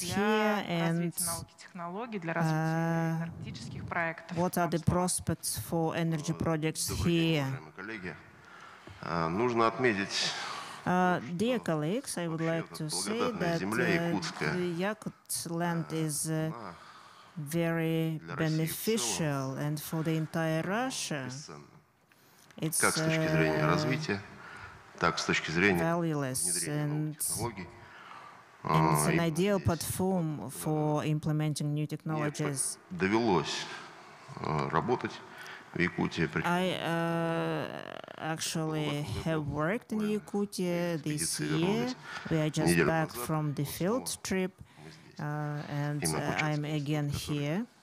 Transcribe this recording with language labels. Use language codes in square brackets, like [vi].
[ru] для развития науки и технологий, для развития энергетических проектов? [en] What are the prospects for energy projects here? [ru] Нужно отметить, [en] dear colleagues, I would like to say that the Yakut land is very beneficial, and for the entire Russia, it's [ru] как с точки зрения развития, так с точки зрения внедрения новых технологий. [en] It's an ideal platform for implementing new technologies. [ru] Довелось работать. [en] I actually have worked in Yakutia this year. We are just back from the field trip, and I'm again here.